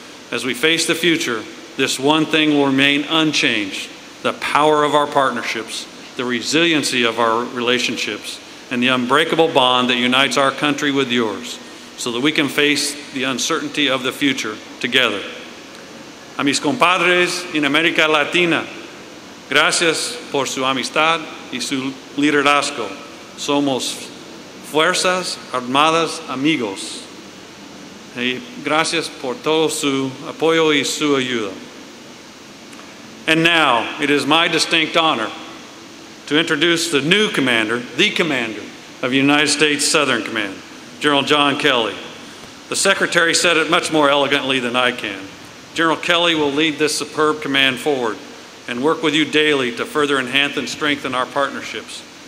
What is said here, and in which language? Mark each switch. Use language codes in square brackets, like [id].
[en] As we face the future, this one thing will remain unchanged: the power of our partnerships, the resiliency of our relationships, and the unbreakable bond that unites our country with yours, so that we can face the uncertainty of the future together. [es] A mis compadres en América Latina, gracias por su amistad y su liderazgo. Somos Fuerzas Armadas Amigos. Y gracias por todo su apoyo y su ayuda. [en] And now, it is my distinct honor to introduce the new commander, the commander of United States Southern Command, General John Kelly. The secretary said it much more elegantly than I can. General Kelly will lead this superb command forward and work with you daily to further enhance and strengthen our partnerships.